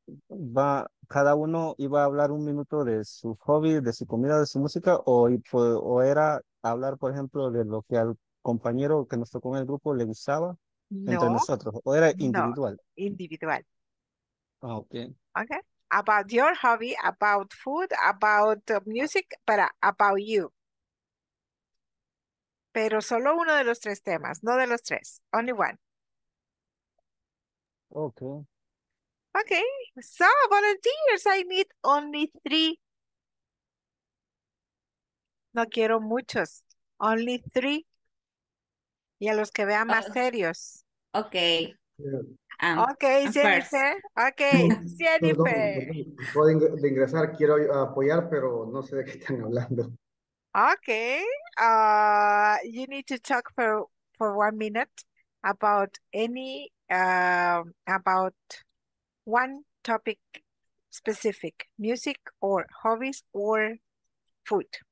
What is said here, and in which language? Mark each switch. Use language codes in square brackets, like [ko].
[es] Va, cada uno iba a hablar un minuto de su hobby, de su comida, de su música, o era hablar, por ejemplo, de lo que al compañero que nos tocó en el grupo le gustaba entre No, nosotros, o era individual. Individual. Ah, okay. Okay. [en] About your hobby, about food, about music, but about you. [es] Pero solo uno de los 3 temas, no de los 3, [en] only one. Okay. Okay, so volunteers, I need only 3. [es] No quiero muchos, [en] only 3. [es] Y a los que vean más serios. Okay. [en] Okay, Jennifer. First. Okay, Jennifer. [es] Perdón, perdón. Puedo ingresar, quiero apoyar, pero no sé de qué están hablando. [en] Okay, you need to talk for 1 minute about any, about one topic specific, music or hobbies or food.